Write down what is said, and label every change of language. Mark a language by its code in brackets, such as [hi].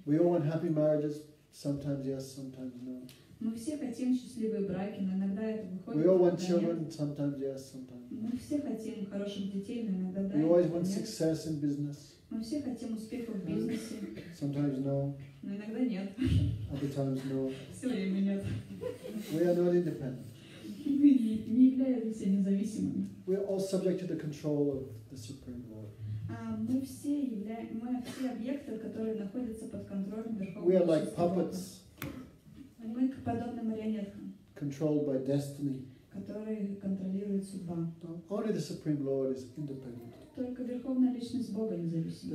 [en] We all want happy marriages. Sometimes yes, sometimes no. [ru] Мы все хотим счастливые браки, но иногда это выходит. [en] We all want children. Sometimes yes, sometimes no. [ru] Мы все хотим хороших детей, но иногда да. [en] We always want success in business. [ru] Мы все хотим успеха в бизнесе. [en] Sometimes no. [ru] Но иногда нет. [en] Other times, no. [ru] Все время нет. [en] We are not independent. [ru] Мы не являемся независимыми. [en] We are all subject to the control of the Supreme Lord. [ru] Мы все объекты, которые находятся под контролем Верховного. [en] We are like puppets. [ru] Мы подобны марионеткам. [en] Controlled by destiny. [ru] Которые контролируют судьба. [en] Only the Supreme Lord is independent. [ru] Только Верховная Личность Бога независима.